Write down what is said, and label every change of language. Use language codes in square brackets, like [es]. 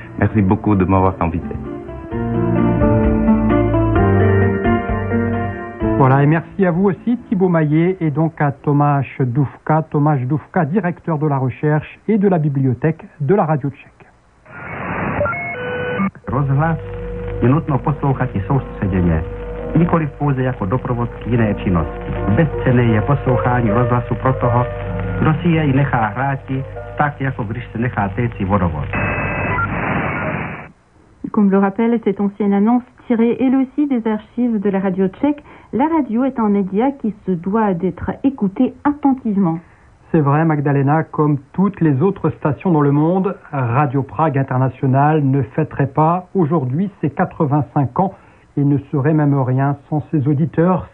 [fr] Merci beaucoup de m'avoir invité. Voilà, et merci à vous aussi Thibaut Maillet et donc à Tomáš Duška. Tomáš Duška, directeur de la recherche et de la bibliothèque de la radio tchèque. [cs] Rozhlas. Je nutno poslouchat i soustředěně, nikoli pouze jako doprovod k jiné činnosti. Bezcenné je poslouchání rozhlasu pro toho, kdo si jej nechá hrát, tak jako když se nechá téci vodovod. [fr] Comme le rappelle cette ancienne annonce tirée elle aussi des archives de la radio tchèque, la radio est un média qui se doit d'être écouté attentivement. C'est vrai, Magdalena, comme toutes les autres stations dans le monde, Radio Prague International ne fêterait pas aujourd'hui ses 85 ans et ne serait même rien sans ses auditeurs.